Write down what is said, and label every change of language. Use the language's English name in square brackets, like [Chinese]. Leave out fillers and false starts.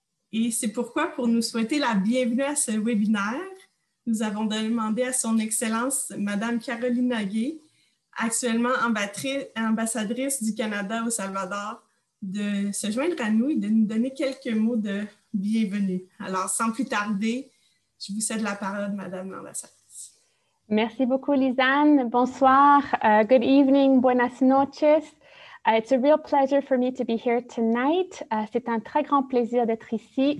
[French] Et c'est pourquoi, pour nous souhaiter la bienvenue à ce webinaire, nous avons demandé à Son Excellence Madame Caroline Nagué, actuellement ambassadrice du Canada au Salvador, de se joindre à nous et de nous donner quelques mots de bienvenue. Alors, sans plus tarder, je vous cède la parole, Madame l'ambassadrice. Merci beaucoup, Lisanne. Bonsoir. [English] Good evening. [Spanish] Buenas noches. [English] It's a real pleasure for me to be here tonight. [French] C'est un très grand plaisir d'être ici.